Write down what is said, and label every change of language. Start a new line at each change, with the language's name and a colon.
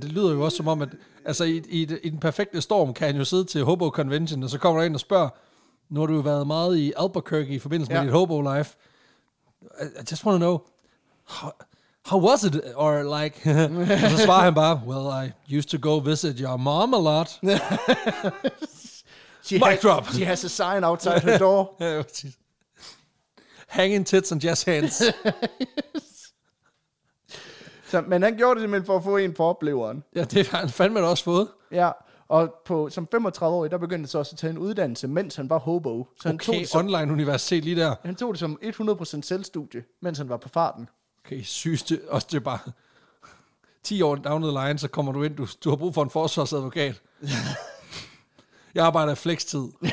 Danish: Det lyder jo også som om, at altså, i den perfekte storm kan han jo sidde til hobo convention, og så kommer der ind og spørger, nu har du jo været meget i Albuquerque i forbindelse med dit hobo life.
English: I just want to know, how was it? Or like,
Danish: så svarer han bare,
English: well, I used to go visit your mom a lot. Mic drop. She has a sign outside her door. Hanging tits and jazz hands.
Danish: Men han gjorde det simpelthen for at få en på opleveren. Ja, det har han fandme også fået. Ja, Og på, som 35-årig, der begyndte så også at tage en uddannelse, mens han var hobo. Så han tog som, online-universitet lige der. Han tog det som 100% selvstudie, mens han var på farten. Okay, synes det også, det er bare 10 år
English: down the line,
Danish: så kommer du ind, du har brug for en forsvarsadvokat. Jeg arbejder i flextid.